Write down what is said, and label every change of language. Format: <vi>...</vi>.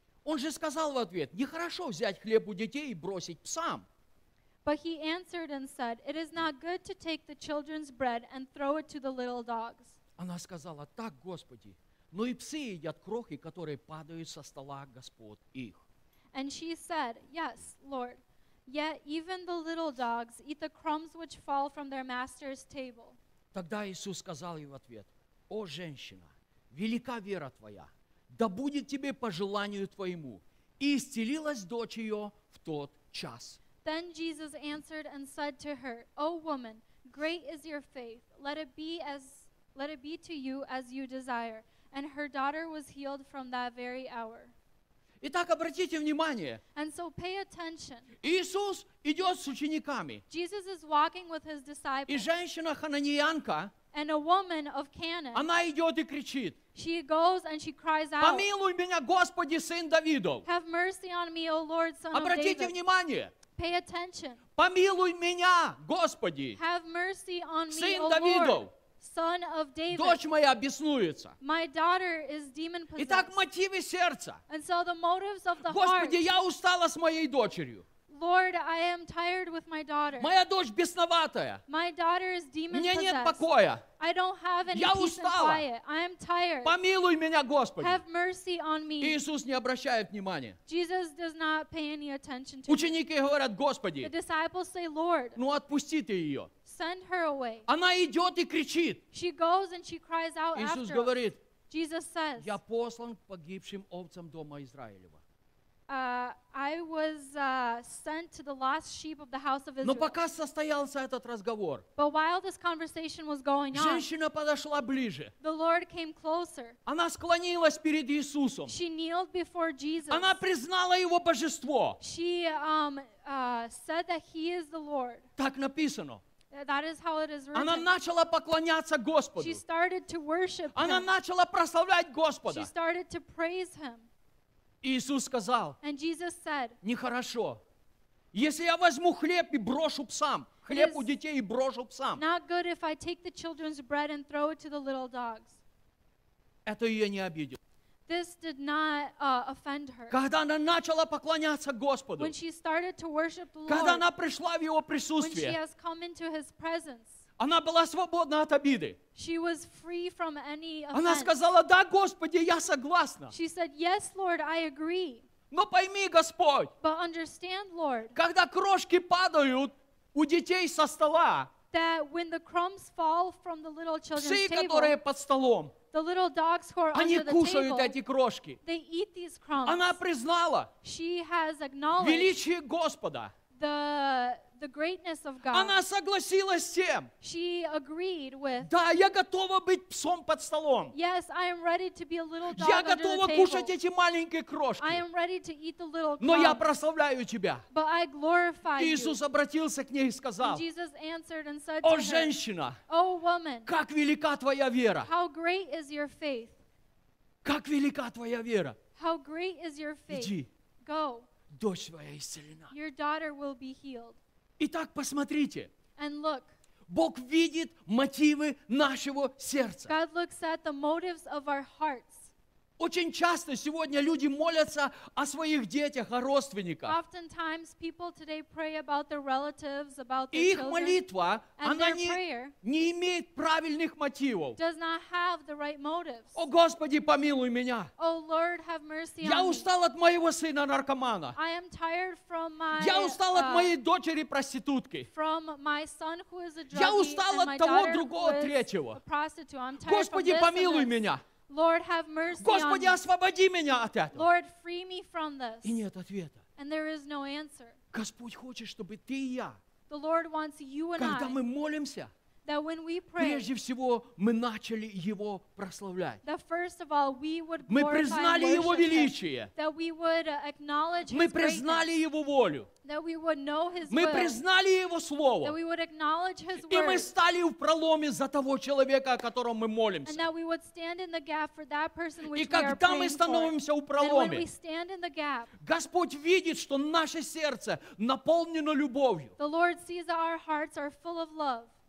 <ru>Он же сказал в ответ: нехорошо взять хлеб у детей и бросить псам.</ru> <en>But he answered and said, it is not good to take the children's bread and throw it to the little dogs.</en> <ru>Она сказала: так, Господи, но и псы едят крохи, которые падают со стола господ их.</ru> <en>And she said, yes, Lord, yet even the little dogs eat the crumbs which fall from their master's table.</en> <ru>Тогда Иисус сказал ей в ответ: о, женщина, велика вера твоя. Да будет тебе по желанию твоему. И исцелилась дочь ее в тот час.</ru> <en>Then Jesus answered and said to her, O woman, great is your faith. Let it be to you as you desire. And her daughter was healed from that very hour.</en> <ru>Итак, обратите внимание.</ru> <en>And so pay attention.</en> <ru>Иисус идет с учениками.</ru> <en>Jesus is walking with his disciples.</en> <ru>И женщина хананеянка.</ru> <en>And a woman of Canaan.</en> <ru>Она идет и кричит.</ru> <en>She goes and she cries out.</en> <ru>Помилуй меня, Господи, сын Давидов.</ru> <en>Have mercy on me, O Lord, son of David.</en> <ru>Обратите внимание.</ru> <en>Pay attention.</en> <ru>Помилуй меня, Господи.</ru> <en>Have mercy on me,</en> <ru>сын</ru> <en>O</en> <ru>Давидов.</ru> <en>Lord, son of David.</en> <ru>Дочь моя беснуется.</ru> <en>My daughter is demon possessed.</en> <ru>Итак, мотивы сердца.</ru> <en>And so the motives of the</en> <ru>Господи,</ru> <en>heart.</en> <ru>Господи, я устала с моей дочерью.</ru> <en>Lord, I am tired with my daughter.</en> <ru>Моя дочь бесноватая.</ru> <en>My daughter is demon-possessed.</en> <ru>Мне нет покоя.</ru> <en>I don't have any</en> <ru>Я</ru> <en>peace</en> <ru>устала.</ru> <en>And quiet. I am tired.</en> <ru>Помилуй меня, Господи.</ru> <en>Have mercy on me.</en> <ru>Иисус не обращает внимания.</ru> <en>Jesus does not pay any attention to</en> <ru>Ученики</ru> <en>me.</en> <ru>Говорят, Господи.</ru> <en>The disciples say, Lord.</en> <ru>Ну, отпусти ты ее.</ru> <en>Send her away.</en> <ru>Она идет и кричит.</ru> <en>She goes and she cries out</en> <ru>Иисус</ru> <en>after</en> <ru>говорит,</ru> <en>us. Jesus says,</en> <ru>Я послан к погибшим овцам дома Израилева.</ru> <en>I was sent to the lost sheep of the house of Israel.</en> <ru>Но пока состоялся этот разговор,</ru> <en>but while this conversation was going on,</en> <ru>женщина подошла ближе.</ru> <en>The Lord came closer.</en> <ru>Она склонилась перед Иисусом.</ru> <en>She kneeled before Jesus.</en> <ru>Она признала его божество.</ru> <en>She said that he is the Lord.</en> <ru>Так написано.</ru> <en>That is how it is written.</en> <ru>Она начала поклоняться Господу.</ru> <en>She started to worship</en> <ru>Она</ru> <en>him.</en> <ru>Начала прославлять Господа.</ru> <en>She started to praise him.</en> <ru>Иисус сказал,</ru> <en>and Jesus said,</en> <ru>нехорошо. Если я возьму хлеб и брошу псам, хлеб у детей и брошу псам.</ru> <en>Not good if I take the children's bread and throw it to the little dogs.</en> <ru>Это ее не обидело.</ru> <en>This did not offend her.</en> <ru>Когда она начала поклоняться Господу,</ru> <en>when she started to worship the Lord,</en> <ru>когда она пришла в Его присутствие,</ru> <en>when she has come into His presence,</en> <ru>она была свободна от обиды.</ru> <en>She was free from any offense.</en> <ru>Она сказала, да, Господи, я согласна.</ru> <en>She said, yes, Lord, I agree.</en> <ru>Но пойми, Господь,</ru> <en>but understand, Lord,</en> <ru>когда крошки падают у детей со стола,</ru> <en>that when the crumbs fall from the little children's</en> <ru>псы,</ru> <en>table,</en> <ru>которые под столом,</ru> <en>the little dogs who are</en> <ru>они</ru> <en>under the table, they eat these crumbs.</en> <ru>Она признала,</ru> <en>she has acknowledged</en> <ru>величие Господа,</ru> <en>the greatness of God.</en> <ru>Она согласилась с тем,</ru> <en>she agreed with,</en> <ru>да, я готова быть псом под столом.</ru> <en>Yes, I am ready to be a little dog under the table.</en> <ru>Я готова кушать эти маленькие крошки.</ru> <en>I am ready to eat the little crumbs.</en> <ru>Но я прославляю тебя.</ru> <en>But I glorify you.</en> <ru>Иисус обратился к ней и сказал,</ru> <en>and Jesus answered and said</en> <ru>о, женщина,</ru> <en>о, woman,</en> <ru>как велика твоя вера.</ru> <en>How great is your faith.</en> <ru>Как велика твоя вера.</ru> <en>How great is your faith.</en> <ru>Иди.</ru> <en>Go.</en> <ru>Дочь твоя исцелена.</ru> <en>Your daughter will be healed.</en> <ru>Итак, посмотрите.</ru> <en>And look,</en> <ru>Бог видит мотивы нашего сердца.</ru> <en>God looks at the motives of our hearts.</en> <ru>Очень часто сегодня люди молятся о своих детях, о родственниках.</ru> <en>Oftentimes people today pray about their relatives, about their</en> <ru>и их молитва,</ru> <en>children,</en> <ru>она не имеет правильных мотивов.</ru> <en>Does not have the right motives.</en> <ru>О, Господи, помилуй меня.</ru> <en>Oh, Lord, have mercy</en> <ru>я устал</ru> <en>me.</en> <ru>От моего сына наркомана.</ru> <en>I am tired from my,</en> <ru>я устал от моей дочери проститутки.</ru> <en>From my son who is a druggie,</en> <ru>я устал от того, другого, третьего. Господи, помилуй меня.</ru> <en>Lord, have mercy</en> <ru>Господи,</ru> <en>on me.</en> <ru>Освободи меня от этого.</ru> <en>Lord, free me from this.</en> <ru>И нет ответа.</ru> <en>And there is no answer.</en> <ru>Господь хочет, чтобы ты и я,</ru> <en>the Lord wants you and</en> <ru>когда</ru> <en>I,</en> <ru>мы молимся,</ru> <en>that when we pray,</en> <ru>прежде всего мы начали Его прославлять.</ru> <en>That first of all, we would</en> <ru>мы признали Его величие.</ru> <en>That we would acknowledge</en> <ru>мы признали Его волю.</ru> <en>That we would know His</en> <ru>мы</ru> <en>will.</en> <ru>Признали Его Слово.</ru> <en>That we would acknowledge His</en> <ru>и мы стали в проломе за того человека, о котором мы молимся.</ru> <en>And that we would stand in the gap for that person which</en> <ru>и когда мы становимся</ru> <en>for,</en> <ru>у проломе,</ru> <en>when we stand in the gap,</en> <ru>Господь видит, что наше сердце наполнено любовью.</ru> <en>The Lord sees that our hearts are full of love.</en>